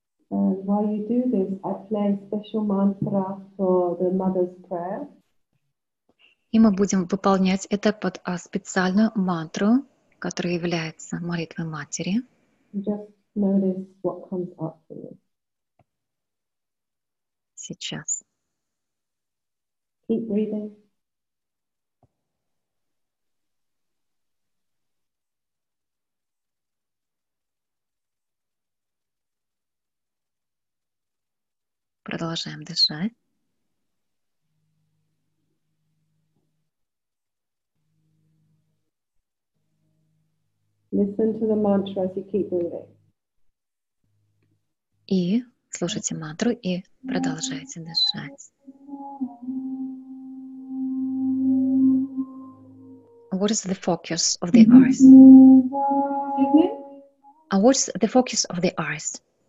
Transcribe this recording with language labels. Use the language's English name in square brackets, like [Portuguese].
[English] And while you do this, I play special mantra for the mother's prayer. [Russian] И мы будем выполнять это под специальную мантру, которая является молитвой матери. [English] Just notice what comes up for you. [Russian] Сейчас. [English] Keep breathing. [Russian] Продолжаем дышать. [English] Listen to the mantra as you keep breathing. [Russian] И слушайте мантру и продолжайте дышать. [English] What is the focus of the earth? What is the focus of the earth?